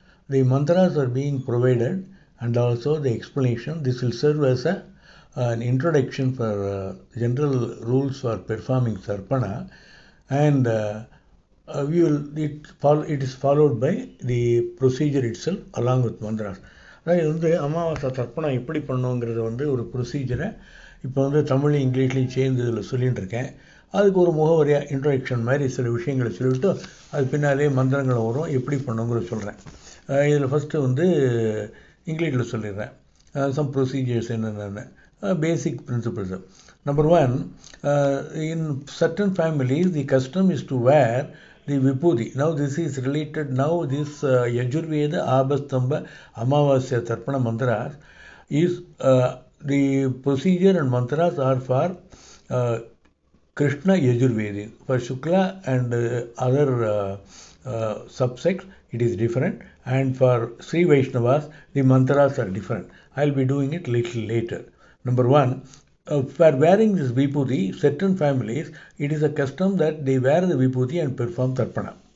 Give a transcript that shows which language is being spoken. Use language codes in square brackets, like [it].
[en] The mantras are being provided and also the explanation. This will serve as an introduction for general rules for performing Tarpana, and it is followed by the procedure itself along with mantras. [ta] Amavasya Tarpana eppadi pannuvengiradhu vandu oru procedure. இப்போ வந்து தமிழையும் இங்கிலீஷ்லையும் சேர்ந்து இதில் சொல்லிகிட்டு இருக்கேன். அதுக்கு ஒரு முகவரியாக introduction மாதிரி சில விஷயங்களை சொல்லிவிட்டு அது பின்னாலே மந்திரங்களை வரும் எப்படி பண்ணுங்கிறத சொல்கிறேன். இதில் ஃபஸ்ட்டு வந்து இங்கிலீஷில் சொல்லிடுறேன். [en] some procedures [ta] என்னென்னு பேசிக் principles. [en] Number one, in certain families the custom is to wear the vibhuti. Now this is related now this Yajurveda Apastamba amavasya tarpana mantra is The procedure and mantras are for Krishna Yajurvedi. For Shukla and other subsects, it is different. And for Sri Vaishnavas, the mantras are different. I'll be doing it little later. Number one, for wearing this vipudi, certain families, it is a custom that they wear the vipudi and perform tarpana.